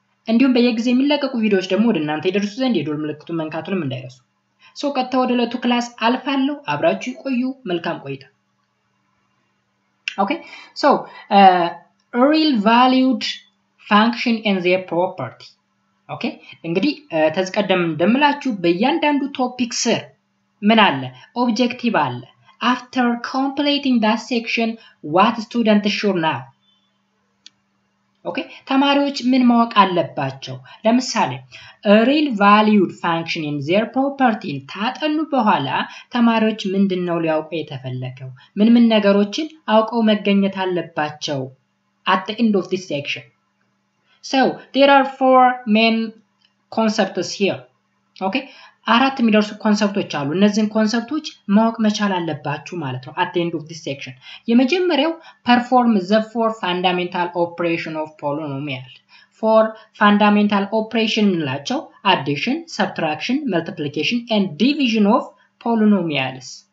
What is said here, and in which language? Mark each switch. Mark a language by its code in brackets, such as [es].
[am] እንዲሁም በየጊዜው የሚለቀቁ ቪዲዮዎች ደግሞ ወደ እናንተ ይደርሱ ዘንድ የደወል ምልክቱን መንካቱንም እንዳይረሱ። ሶ ከተወ ወደ ለቱ ክላስ አልፋለሁ። አብራችሁ ቆዩ። መልካም ቆይታ። ኦኬ ሶ [en] real valued function and their property [am] ኦኬ እንግዲህ ተዝቀደም እንደምላችሁ በእያንዳንዱ ቶፒክ ስር ምን አለ? [en] ኦብጀክቲቭ አለ። after completing that section what student should know [am] ኦኬ ተማሪዎች ምን ማወቅ አለባቸው? ለምሳሌ [en] real valued function and their property [am] ታጠኑ በኋላ ተማሪዎች ምንድነው ሊያውቁ የተፈለገው? ምን ምን ነገሮችን አውቀው መገኘት አለባቸው? [en] at the end of this section so there are four main concepts here [am] ኦኬ አራት የሚደርሱ ኮንሰፕቶች አሉ። እነዚህን ኮንሰፕቶች ማወቅ መቻል አለባችሁ ማለት ነው [en] at the end of this section። [am] የመጀመሪያው [en] perform the four fundamental operation of polynomial four fundamental operation እንላቸው addition, subtraction, multiplication and division of polynomials